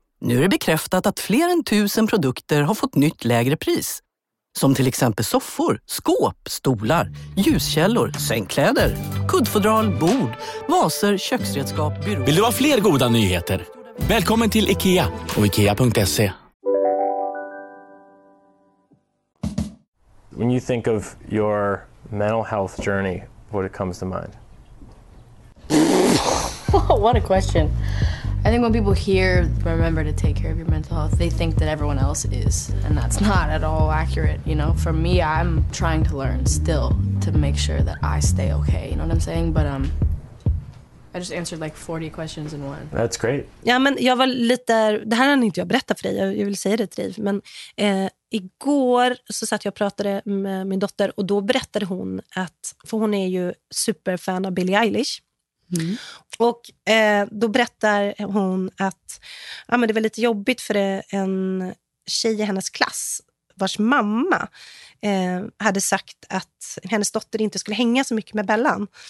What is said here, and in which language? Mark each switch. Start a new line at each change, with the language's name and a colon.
Swedish: Nu är det bekräftat att fler än 1000 produkter har fått nytt lägre pris. Som till exempel soffor, skåp, stolar, ljuskällor, sängkläder, kuddfodral, bord, vaser, köksredskap, byrå. Vill du ha fler goda nyheter? Välkommen till IKEA och IKEA.se.
English: When you think of your mental health journey, what it comes to mind? What a question. I think when people hear remember to take care of your mental health, they think that everyone else is, and that's not at all accurate, you know. For me, I'm trying to learn still to make sure that I stay okay, you know what I'm saying? But I just answered like 40 questions in one. That's great.
Swedish: Ja, men jag var lite, det här hann inte jag berätta för dig, jag vill säga det till dig, men igår så satt jag och pratade med min dotter och då berättade hon att, för hon är ju superfan av Billie Eilish. Mm. Och då berättar hon att men det var lite jobbigt för en tjej i hennes klass vars mamma hade sagt att hennes dotter inte skulle hänga så mycket med Bellan.